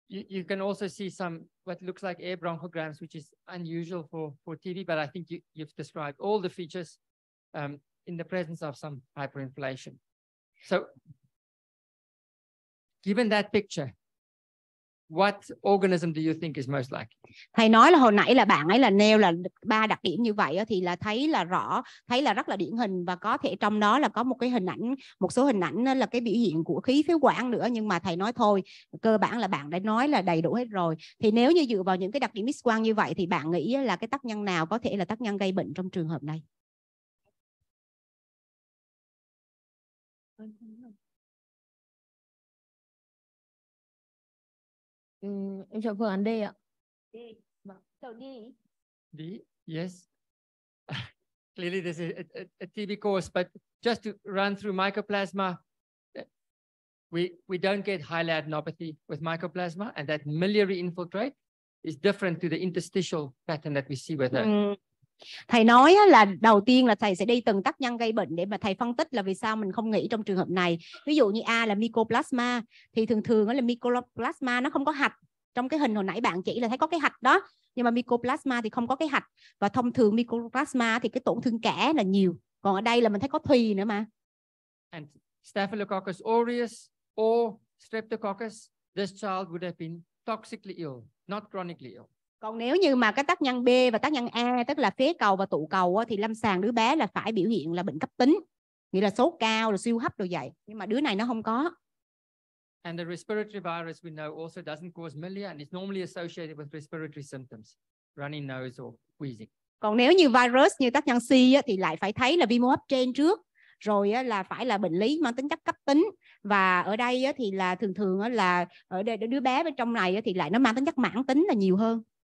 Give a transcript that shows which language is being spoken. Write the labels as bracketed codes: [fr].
[en] You can also see some what looks like air bronchograms, which is unusual for TB, but I think you've described all the features in the presence of some hyperinflation. So given that picture, what organism do you think is most likely? [vi] Thầy nói là hồi nãy là bạn ấy là nêu là ba đặc điểm như vậy thì là thấy là rõ, thấy là rất là điển hình, và có thể trong đó là có một cái hình ảnh, một số hình ảnh là cái biểu hiện của khí phế quản nữa, nhưng mà thầy nói thôi, cơ bản là bạn đã nói là đầy đủ hết rồi. Thì nếu như dựa vào những cái đặc điểm X quang như vậy thì bạn nghĩ là cái tác nhân nào có thể là tác nhân gây bệnh trong trường hợp này? Ừ. Em chọn phương án D ạ. D. Vâng. [en] So D. D. Yes. Clearly this is a TB course, but just to run through mycoplasma, we don't get hilar adenopathy with mycoplasma, and that miliary infiltrate is different to the interstitial pattern that we see with her. [vi] Thầy nói là đầu tiên là thầy sẽ đi từng tác nhân gây bệnh để mà thầy phân tích là vì sao mình không nghĩ trong trường hợp này. Ví dụ như A là mycoplasma, thì thường thường là mycoplasma nó không có hạch. Trong cái hình hồi nãy bạn chỉ là thấy có cái hạch đó, nhưng mà mycoplasma thì không có cái hạch. Và thông thường mycoplasma thì cái tổn thương kẽ là nhiều. Còn ở đây là mình thấy có thùy nữa mà. [en] And Staphylococcus aureus or Streptococcus, this child would have been toxically ill, not chronically ill. [vi] Còn nếu như mà cái tác nhân B và tác nhân A, tức là phế cầu và tụ cầu, thì lâm sàng đứa bé là phải biểu hiện là bệnh cấp tính, nghĩa là sốt cao, rồi siêu hấp, rồi vậy. Nhưng mà đứa này nó không có. [en] And the respiratory virus we know also doesn't cause milia and it's normally associated with respiratory symptoms, runny nose or wheezing. [vi] Còn nếu như virus như tác nhân C thì lại phải thấy là viêm hô hấp trên trước, rồi là phải là bệnh lý mang tính chất cấp tính. Và ở đây thì là thường thường là ở đây đứa bé bên trong này thì lại nó mang tính chất mãn tính là nhiều hơn.